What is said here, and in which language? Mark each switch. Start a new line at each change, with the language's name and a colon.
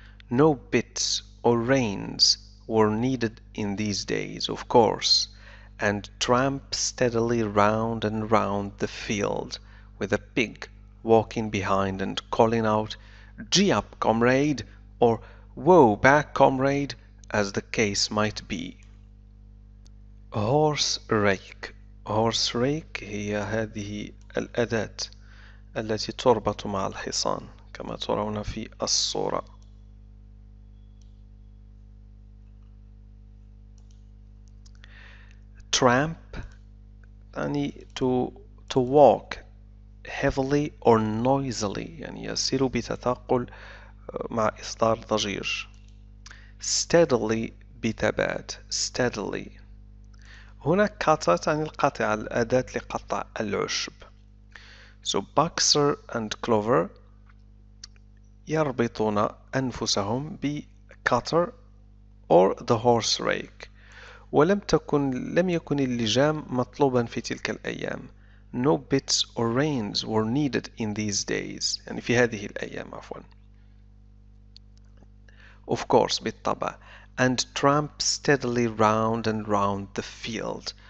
English: No bits or reins were needed in these days, of course, and tramp steadily round and round the field with a pig walking behind and calling out, "Gee up, comrade," or "Whoa back, comrade," as the case might be. Horse rake.
Arabic: Horse rake هي هذه الأداة التي تربط مع الحصان كما ترون في الصورة. Tramp يعني
English: to walk heavily or noisily
Arabic: يعني يسير بتثاقل مع إصدار ضجيج. Steadily بثبات. Steadily هنا قطعة عن القطعة الأداة لقطع العشب.
English: So Boxer and Clover
Arabic: يربطون أنفسهم بكاتر
English: or the horse rake.
Arabic: ولم يكن اللجام مطلوبا في تلك الأيام.
English: No bits or reins were needed in these days.
Arabic: يعني في هذه الأيام عفوا.
English: Of course
Arabic: بالطبع.
English: And tramp steadily round and round the field.